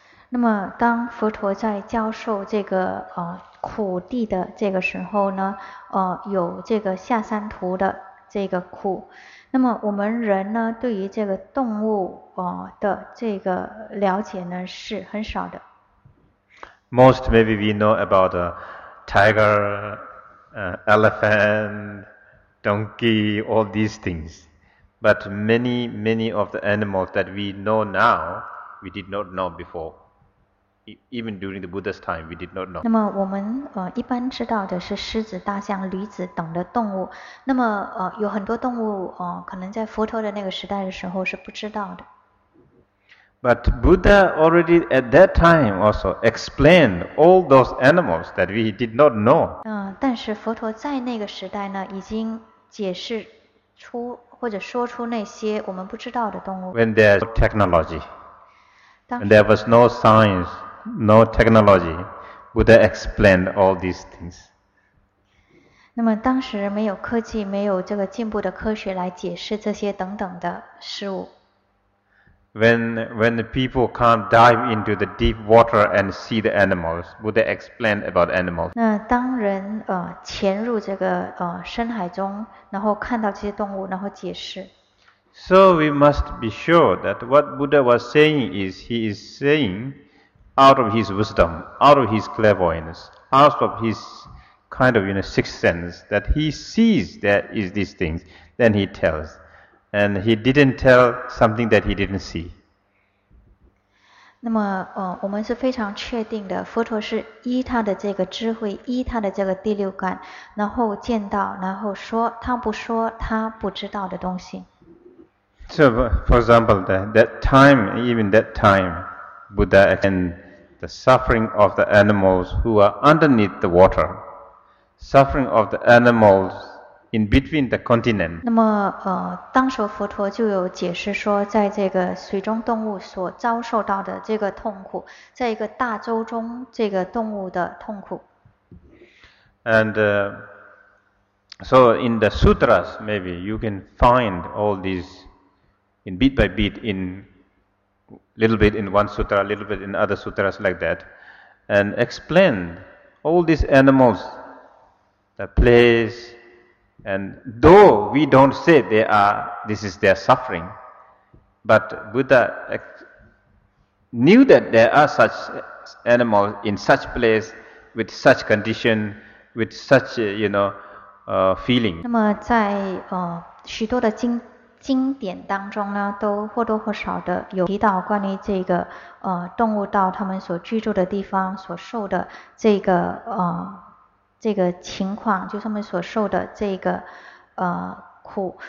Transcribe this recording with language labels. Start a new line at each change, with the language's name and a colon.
Chinese: 那么当佛陀在教授这个苦谛的这个时候呢，有这个下三途的这个苦。那么我们人呢，对于这个动物的这个了解呢是很少的。
English: Most maybe we know about a tiger, elephant, donkey, all these things. But many, many of the animals that we know now, we did not know before. Even during the Buddha's time, we did not know.
Chinese: 那么我们一般知道的是狮子、大象、驴子等的动物。那么有很多动物可能在佛陀的那个时代的时候是不知道的。
English: But Buddha already at that time also explained all those animals that we did not know.
Chinese: 但是佛陀在那个时代呢，已经解释出或者说出那些我们不知道的动物。
English: When there was no technology, when there was no science, no technology, Buddha explained all these things.
Chinese: 那么当时没有科技，没有这个进步的科学来解释这些等等的事物。
English: When the people can't dive into the deep water and see the animals, Buddha explained about animals.
Chinese: 那当人潜入这个深海中，然后看到这些动物，然后解释。
English: So we must be sure that what Buddha was saying is he is saying out of his wisdom, out of his clairvoyance, out of his kind of sixth sense that he sees there is these things, then he tells. And he didn't tell something that he didn't see.
Chinese: 那么，我们是非常确定的，佛陀是依他的这个智慧，依他的这个第六感，然后见到，然后说，他不说他不知道的东西。
English: So, for example, that time, even that time, Buddha and the suffering of the animals who are underneath the water, suffering of the animals. In between the continent.
Chinese: 那么，当时佛陀就有解释说，在这个水中动物所遭受到的这个痛苦，在一个大洲中这个动物的痛苦。
English: And so in the sutras, maybe you can find all these in bit by bit, in little bit in one sutra, little bit in other sutras like that, and explain all these animals, the place. And though we don't say they are, this is their suffering, but Buddha knew that there are such animals in such place, with such condition, with such, feeling.
Chinese: 那么在许多的经典当中呢，都或多或少的有提到关于这个动物到他们所居住的地方所受的这个这个情况，就是他们所受的这个苦。